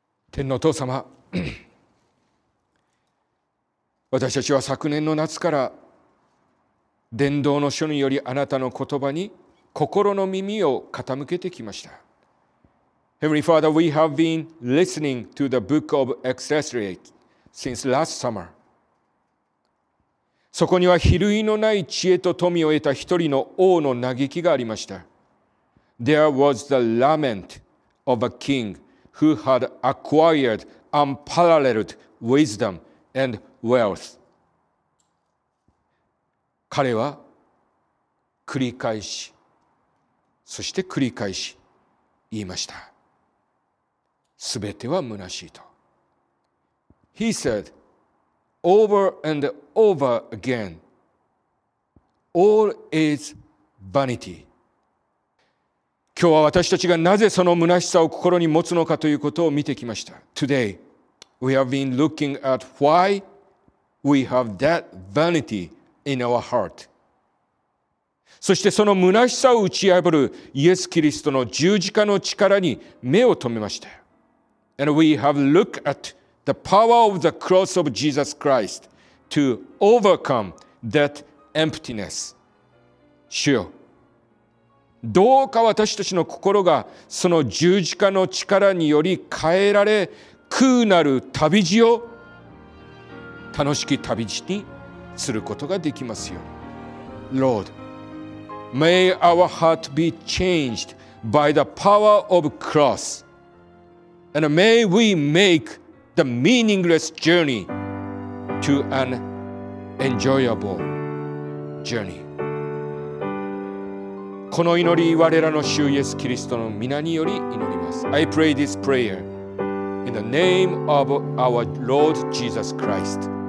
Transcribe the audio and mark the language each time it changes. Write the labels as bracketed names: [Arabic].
[Japanese] 天のお父様、私たちは昨年の夏から伝道の書によりあなたの言葉に心の耳を傾けてきました。 [English] Heavenly Father, we have been listening to the book of Exodus since last summer. [Japanese] そこには比類のない知恵と富を得た一人の王の嘆きがありました。 [English] There was the lament of a king who had acquired unparalleled wisdom and wealth. [Japanese] 彼は繰り返し、そして繰り返し言いました。すべては虚しいと。 [English] He said, over and over again, all is vanity. [Japanese] 今日は私たちがなぜその虚しさを心に持つのかということを見てきました。 [English] Today, we have been looking at why we have that vanity in our heart. [Japanese] そしてその虚しさを打ち破るイエス・キリストの十字架の力に目を留めました。 [English] And we have looked at the power of the cross of Jesus Christ to overcome that emptiness. [Japanese] 主よ、どうか私たちの心がその十字架の力により変えられ、空なる旅路を楽しき旅路にすることができますように。 [English] Lord, may our heart be changed by the power of cross. And may we make the meaningless journey to an enjoyable journey. [Japanese] この祈り我らの主イエスキリストの御名により祈ります。 [English] I pray this prayer in the name of our Lord Jesus Christ.